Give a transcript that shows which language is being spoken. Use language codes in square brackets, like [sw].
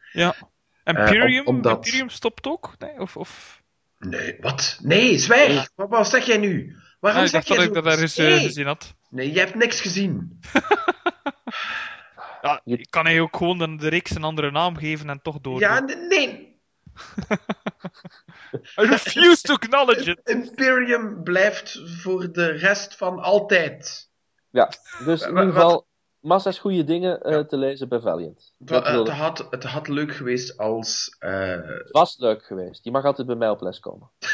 [nl] Ja. Imperium? Omdat... Imperium stopt ook? Nee, of... Nee, wat? Nee, zwijg! Nee. Wat zeg jij nu? Waarom ik dacht jij dat zo? Ik dat ergens gezien had. Nee, je hebt niks gezien. Ja, kan hij ook gewoon de reeks een andere naam geven en toch door? Ja, nee! [en] I refuse to acknowledge it! [nl] Imperium blijft voor de rest van altijd. Ja, dus in ieder geval... Massa's goede dingen te lezen bij Valiant. Het had leuk geweest als... Het was leuk geweest. Je mag altijd bij mij op les komen.